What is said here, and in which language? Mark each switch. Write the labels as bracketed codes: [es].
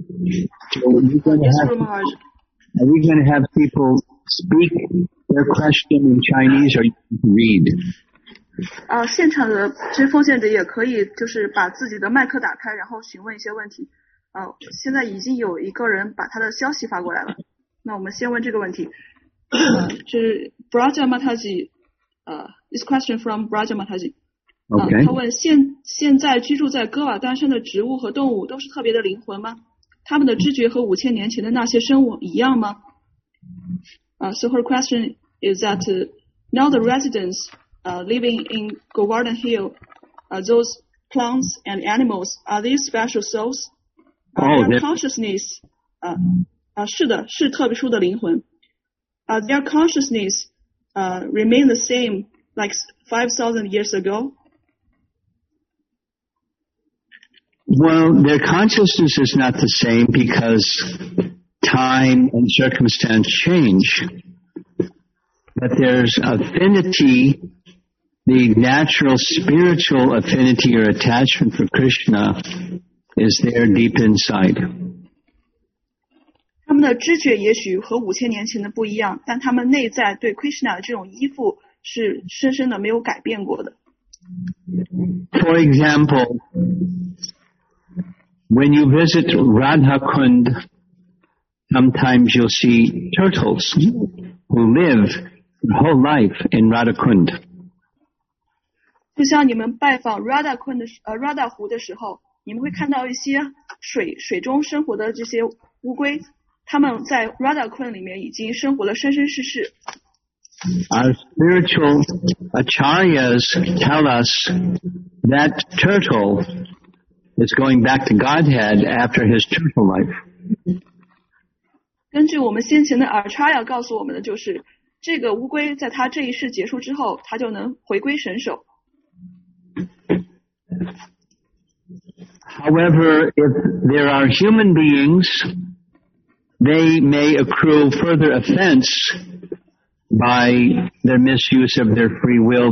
[en] Are we going to have people speak their question in Chinese or read? [zh] 现场的这奉献者也可以就是把自己的麦克打开，然后询问一些问题。现在已经有一个人把他的消息发过来了。那我们先问这个问题。是 Braja Mataji, [en] this question from Braja Mataji. Okay. [zh] 他问现在居住在哥瓦丹山的植物和动物都是特别的灵魂吗？他们的知觉和五千年前的那些生物一样吗？ [en] So her question is that now the residents living in Govardhan Hill, those plants and animals, are these special souls? Their consciousness, [zh] 是的，是特殊的灵魂。 [en] Their consciousness remain the same like 5,000 years ago? Well, their consciousness is not the same because time and circumstance change. But there's affinity, the natural spiritual affinity or attachment for Krishna is there deep inside. [zh] 他们的知觉也许和五千年前的不一样，但他们内在对 Krishna 的这种依附是深深的没有改变过的。 [en] For example,When you visit Radhakund, sometimes you'll see turtles who live their whole life in Radhakund. [zh] 就像你们拜访 Radhakund, Radha 湖的时候，你们会看到一些水中生活的这些乌龟，他们在 Radhakund 里面已经生活了生生世世。 [en] Our spiritual acharyas tell us that turtle. It's going back to Godhead after his turtle life. [zh] 根据我们先前的 Acharya 告诉我们的就是这个乌龟在它这一世结束之后它就能回归神首。 [en] However, if there are human beings, they may accrue further offense by their misuse of their free will.